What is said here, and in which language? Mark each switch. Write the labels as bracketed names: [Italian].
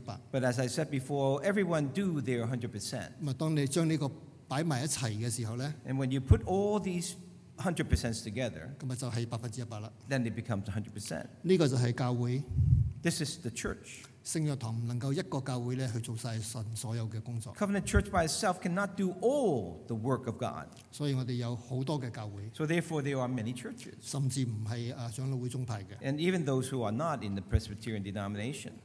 [English] but as I said before, everyone do their 100%. [Chinese] 当你将这个摆在一起的时候, [English] and when you put all these 100% together, [Chinese] 就是100%了, [English] then it becomes 100%. [Chinese] 这个就是教会, [English] this is the church. [Chinese] 圣约堂不能够一个教会去做完神所有的工作。 [English] Covenant Church by itself cannot do all the work of God. [Chinese] 所以我们有很多的教会。 [English] So therefore there are many churches. [Chinese] 甚至不是长老会宗派的。 [English] And even those who are not in the Presbyterian denomination.